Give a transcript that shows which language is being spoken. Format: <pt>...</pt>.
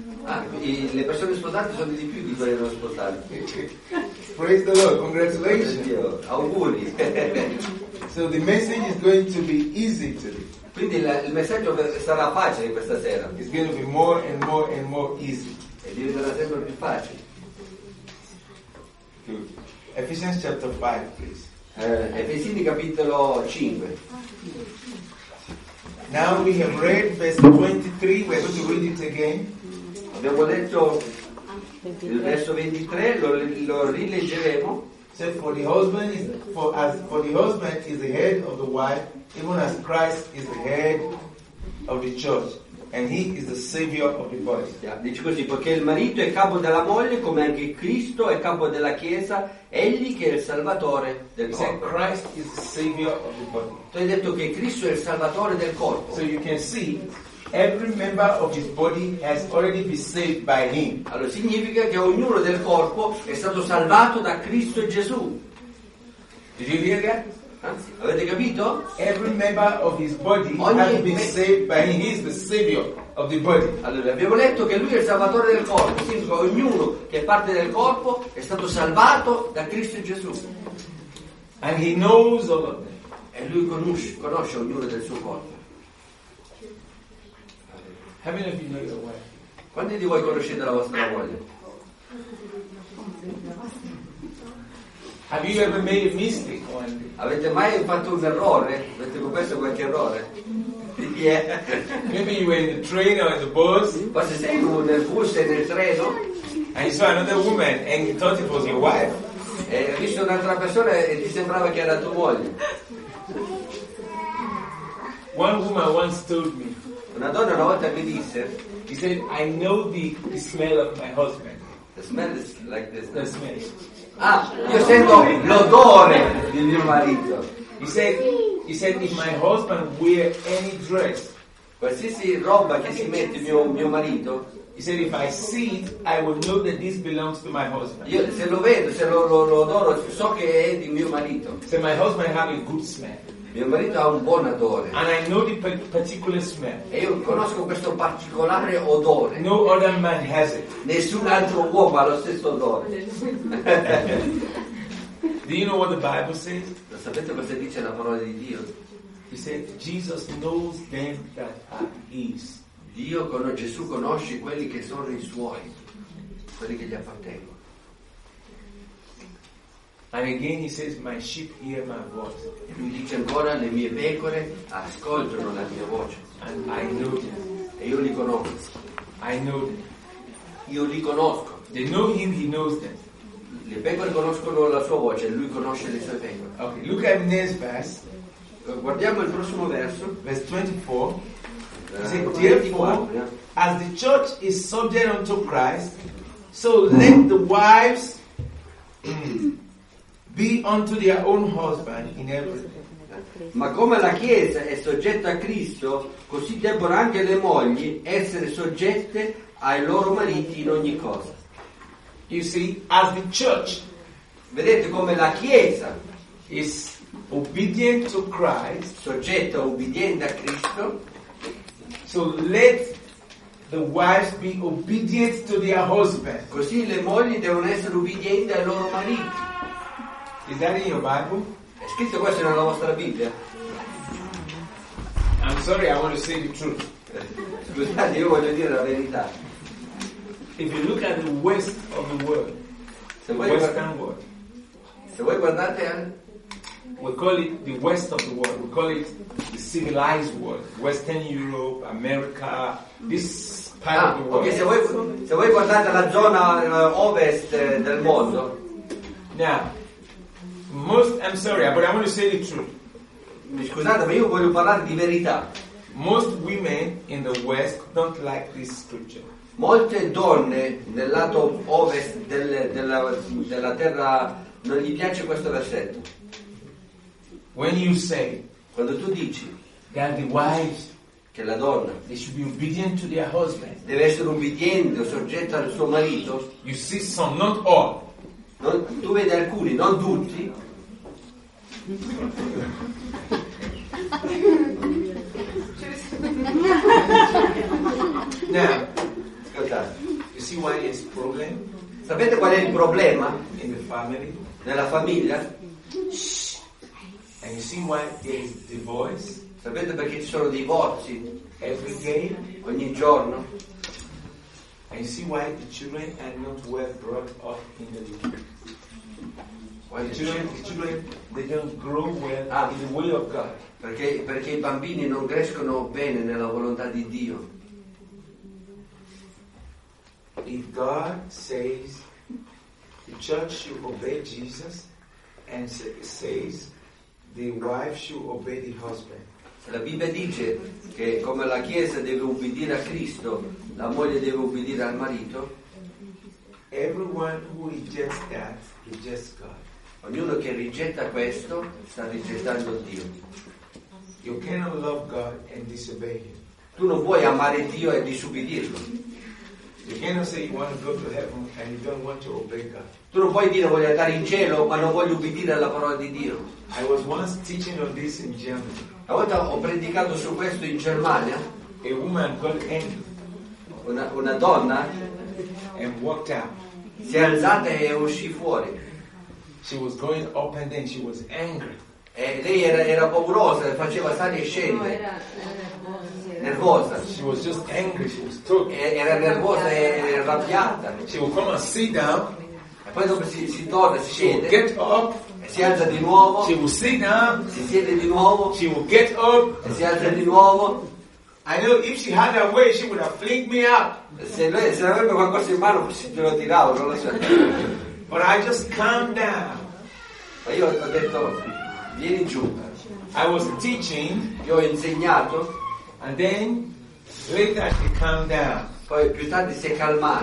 <it>Ah, le persone sposate sono di più di quelle non sposate.</it> <en>Praise the Lord, congratulations.</en> <it>Auguri.</it> <en>So the message is going to be easy today.</en> <it>Quindi il messaggio sarà facile questa sera.</it> <en>It's going to be more and more and more easy.</en> <it>E diventerà sempre più facile.</it> <en>Good. Ephesians chapter 5, please.</en> <it>Efesini capitolo 5.</it> <en>Now we have read verse 23. We're going to read it again.</en> <it>Abbiamo letto il verso 23. Lo rileggeremo.</it> <en>Said, for the husband is for the husband is the head of the wife, even as Christ is the head of the church, and he is the savior of the body.</en> <it>Dice così: perché il marito è capo della moglie, come anche Cristo è capo della chiesa, egli che è il salvatore del corpo.</it> <en>Said, Christ is the savior of the body.</en> <it>Tu hai detto che Cristo è il salvatore del corpo.</it> <en>So you can see every member of his body has already been saved by him.</en> <it>Allora significa che ognuno del corpo è stato salvato da Cristo Gesù.</it> <en>Did you hear that?</en> <it>Avete capito?</it> <en>Every member of his body has been saved by him. He is the savior of the body.</en> <it>Allora abbiamo letto che lui è il salvatore del corpo. Significa ognuno che è parte del corpo è stato salvato da Cristo Gesù.</it> <en>And he knows all of them.</en> <it>E lui conosce ognuno del suo corpo.</it> <en>How many of you know your wife?</en> <it>Quanti di voi conoscete la vostra moglie?</it> <en>Have you ever made a mistake?</en> <it>Avete mai fatto un errore? Avete commesso qualche errore?</it> <en>Maybe you were in the train or in the bus.</en> <it>Forse sei tu nel bus e nel treno.</it> <en>And you saw another woman and you thought it was your wife.</en> <it>E hai visto un'altra persona e ti sembrava che era tua moglie.</it> <en>One woman once told me.</en> <it>Una donna una volta mi disse.</it> <en>She said, I know the smell of my husband. The smell is like this. The smell.</en> <it>Ah, io sento l'odore di mio marito.</it> <en>He said if my husband wear any dress,</en> <it>qualsiasi roba che si mette mio marito,</it> <en>he said if I see it, I will know that this belongs to my husband.</en> <it>Io se lo vedo, se lo odoro, so che è di mio marito.</it> <en>So my husband have a good smell.</en> <it>Mio marito ha un buon odore.</it> <en>And I know the particular smell.</en> <it>E io conosco questo particolare odore.</it> <en>No other man has it.</en> <it>Nessun altro uomo ha lo stesso odore.</it> <en>Do you know what the Bible says?</en> <it>Lo sapete cosa dice la parola di Dio?</it> <en>He said, Jesus knows them that are his.</en> <it>Dio conosce, Gesù conosce quelli che sono i suoi, quelli che gli appartengono.</it> <en>And again he says, my sheep hear my voice.</en> <it>E lui dice ancora, le mie pecore ascoltano la mia voce.</it> <en>And I know them.</en> <it>E io li conosco.</it> <en>I know them.</en> <it>Io li conosco.</it> <en>They know him, he knows them.</en> <it>Le pecore conoscono la sua voce, lui conosce le sue pecore.</it> <en>Okay, look at the next verse.</en> <it>Guardiamo il prossimo verso.</it> <en>Verse 24. He said, therefore, as the church is subject unto Christ, so let the wives be unto their own husband in everything.</en> <it>Ma come la Chiesa è soggetta a Cristo, così debbono anche le mogli essere soggette ai loro mariti in ogni cosa.</it> <en>You see, as the church,</en> <it>vedete come la Chiesa</it> <en>is obedient to Christ,</en> <it>soggetta, obbediente a Cristo,</it> <en>so let the wives be obedient to their husband.</en> <it>Così le mogli devono essere obbedienti ai loro mariti.</it> <en>Is that in your Bible?</en> <it>È scritto questo nella vostra Bibbia?</it> <en>I'm sorry, I want to say the truth.</en> <it>Scusate, io voglio dire la verità.</it> <en>If you look at the west of the world,</en> <it>se</it> <en>the western world,</en> <it>se voi guardate,</it> <en>we call it the west of the world, we call it the civilized world, Western Europe, America, this part of the world.</en> <it>Okay, se voi guardate la zona ovest del mondo,</it> <en>now, most, I'm sorry, but I want to say the truth.</en> <it>Scusate, ma io voglio parlare di verità.</it> <en>Most women in the West don't like this scripture.</en> <it>Molte donne nel lato ovest della terra non gli piace questo versetto.</it> <en>When you say,</en> <it>quando tu dici,</it> <en>that the wives,</en> <it>che la donna,</it> <en>they should be obedient to their husband,</en> <it>deve essere obbediente o soggetta al suo marito.</it> <en>You see some, not all.</en> <it>Non, tu vedi alcuni, non tutti.</it> <en>Now,</en> <it>ascoltate.</it> <en>You see why it's problem?</en> <it>Sapete qual è il problema?</it> <en>In the family.</en> <it>Nella famiglia.</it> <en>And you see why there is divorce?</en> <it>Sapete perché ci sono divorzi?</it> <en>Every day.</en> <it>Ogni giorno.</it> <en>And you see why the children are not well brought up in the church. Why the children they don't grow well in the will of God.</en> <it>Perché i bambini non crescono bene nella volontà di Dio.</it> <en>If God says the church should obey Jesus and says the wife should obey the husband.</en> <it>Se la Bibbia dice che come la Chiesa deve ubbidire a Cristo, la moglie deve ubbidire al marito.</it> <en>Everyone who rejects that rejects God.</en> <it>Ognuno che rigetta questo sta rigettando Dio.</it> <en>You cannot love God and disobey him.</en> <it>Tu non puoi amare Dio e disubbidirlo.</it> <en>You cannot say you want to go to heaven and you don't want to obey God.</en> <it>Tu non puoi dire voglio andare in cielo ma non voglio ubbidire alla parola di Dio.</it> <en>I was once teaching on this in Germany.</en> <it>Una volta ho predicato su questo in Germania.</it> <en>A woman called Anne.</en> <it>Una donna.</it> <en>And walked out.</en> <it>Si è alzata e uscì fuori.</it> <en>She was going up and then she was angry.</en> <it>E lei era paurosa, faceva sali e scende. Nervosa.</it> <en>She was just angry. She was too.</en> <it>Era nervosa e arrabbiata.</it> <en>She would come and sit down.</en> <it>E poi dopo si torna, si scende.</it> <en>Get up.</en> <it>E si alza di nuovo.</it> <en>She would sit down.</en> <it>Si siede di nuovo.</it> <en>She would get up.</en> <it>E si alza di nuovo.</it> <en>I know if she had her way, she would have flicked me out.</en> <it>Se avrebbe qualcosa in mano, si te lo tiravo, non lo so.</it> <en>But I just calmed down.</en> <it>Ma io ho detto, vieni giù.</it> <en>I was teaching.</en> <it>Io ho insegnato.</it> <en>And then later she calmed down.</en> <it>Poi più tardi si è calmata.</it>